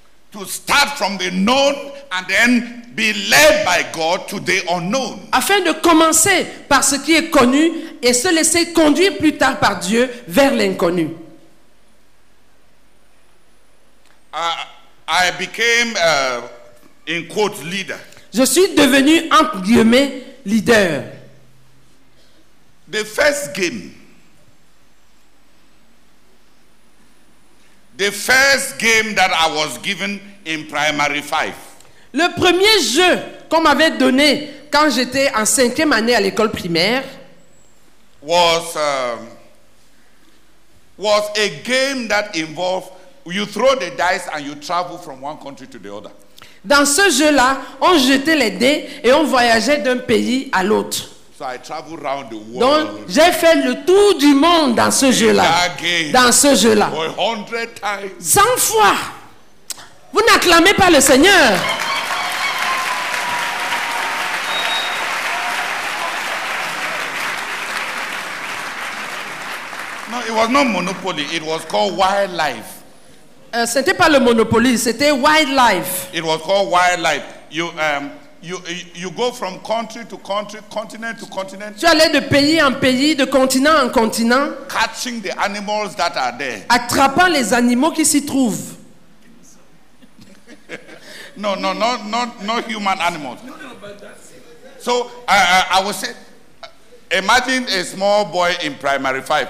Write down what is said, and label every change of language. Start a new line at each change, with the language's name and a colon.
English: To start from the known and then be led by God to the unknown.
French: Afin de commencer par ce qui est connu et se laisser conduire plus tard par Dieu vers l'inconnu.
English: I became in quote leader.
French: Je suis devenu entre guillemets leader.
English: The first game that I was given in primary five.
French: Le premier jeu qu'on m'avait donné quand j'étais en cinquième année à l'école primaire
English: was a game that involved you throw the dice and you travel from one country to the other.
French: Dans ce jeu-là, on jetait les dés et on voyageait d'un pays à l'autre.
English: So I traveled around the world.
French: Donc, j'ai fait le tour du monde dans ce jeu-là. Dans ce jeu-là.
English: 100 times.
French: 100 fois. Vous n'acclamez pas le Seigneur.
English: No, it was not Monopoly. It was called Wildlife.
French: Ce n'était pas le Monopoly, c'était Wildlife.
English: It was called Wildlife. You go from country to country, continent to continent.
French: Tu allais de pays en pays, de continent en continent.
English: Catching the animals that are there.
French: Attrapant les animaux qui s'y trouvent.
English: No, not human animals. So I would say, imagine a small boy in primary five.